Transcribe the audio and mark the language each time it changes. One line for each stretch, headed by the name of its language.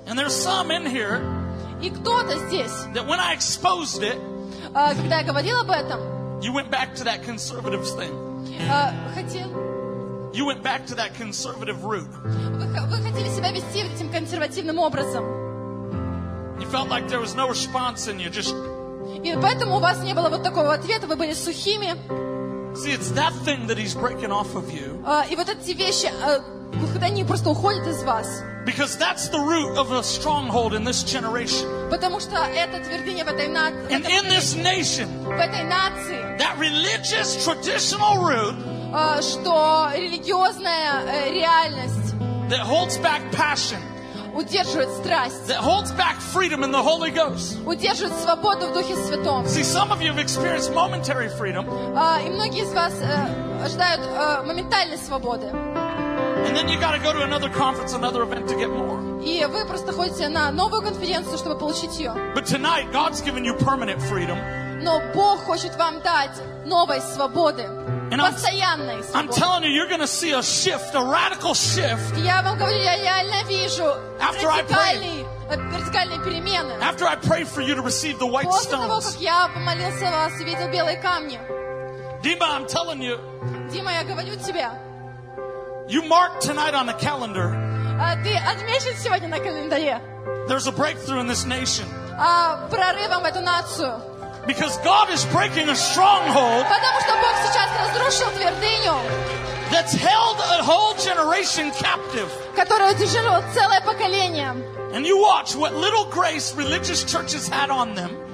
English: And there's some in here.
Russian: И кто-то здесь.
English: That when I exposed it.
Russian: Когда я говорил об этом.
English: You went back to that conservative thing.
Russian: Хотел.
English: You went back to that conservative root.
Russian: Вы хотели себя вести этим консервативным образом.
English: You felt like there was no response in you. Just.
Russian: И поэтому у вас не было вот такого ответа. Вы были сухими.
English: See, it's that thing that he's breaking off of you.
Russian: И вот эти вещи, когда они просто уходят из вас.
English: Because that's the root of a stronghold in this generation.
Russian: Потому что это твердыня в этой нации.
English: And in this nation.
Russian: В этой нации.
English: That religious traditional root.
Russian: Что религиозная реальность.
English: That holds back passion.
Russian: Удерживает страсть.
English: That holds back freedom in the Holy Ghost.
Russian: Удерживает свободу в Духе Святом.
English: See, some of you have experienced momentary freedom.
Russian: И многие из вас ожидают моментальной свободы.
English: And then you got to go to another conference, another event to get more.
Russian: И вы просто ходите на новую конференцию, чтобы получить ее.
English: But tonight God's given you permanent freedom.
Russian: Но Бог хочет вам дать новой свободы. Постоянной свободы.
English: I'm telling you, you're going to see a shift, a radical shift.
Russian: Я вам говорю, я реально вижу вертикальные перемены.
English: After I pray for you to receive the white stones.
Russian: После того, как я помолился о вас и видел белые камни.
English: Дима, I'm telling you.
Russian: Дима, я говорю тебе.
English: You mark tonight on the calendar.
Russian: ты отмечен сегодня на календаре.
English: There's a breakthrough in this nation.
Russian: Прорывом в эту нацию.
English: Because God is breaking a stronghold.
Russian: Потому что Бог сейчас разрушил твердыню.
English: That's held a whole generation captive.
Russian: Которая удерживала целое поколение.
English: And you watch what little grace religious churches had on them.